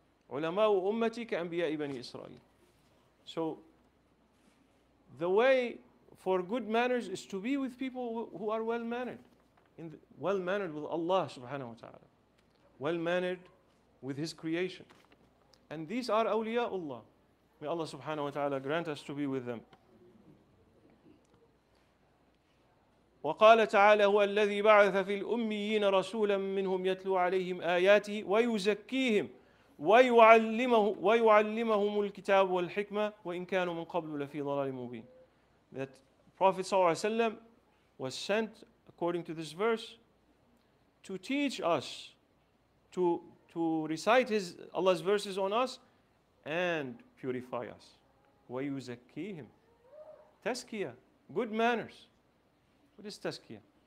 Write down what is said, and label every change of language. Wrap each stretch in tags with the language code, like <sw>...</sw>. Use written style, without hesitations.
<ar>علماء أمتي كأنبياء بني إسرائيل.</ar> <en>So, the way for good manners is to be with people who are well-mannered. Well-mannered with Allah subhanahu wa ta'ala. Well-mannered with His creation. And these are awliyaullah. May Allah subhanahu wa ta'ala grant us to be with them.</en> <ar>وقال تعالى هو الذي بعث في الأميين رسولا منهم يتلو عليهم آياته ويزكيهم ويعلمهم الكتاب والحكمة وإن كانوا من قبل لفي ضلال مبين.</ar> <en>That Prophet</en> <ar>صلى الله عليه وسلم</ar> <en>was sent according to this verse to teach us to recite his Allah's verses on us and purify us.</en> <ar>ويزكيهم تزكية,</ar> <en>good manners. What is tazkiyah?</en>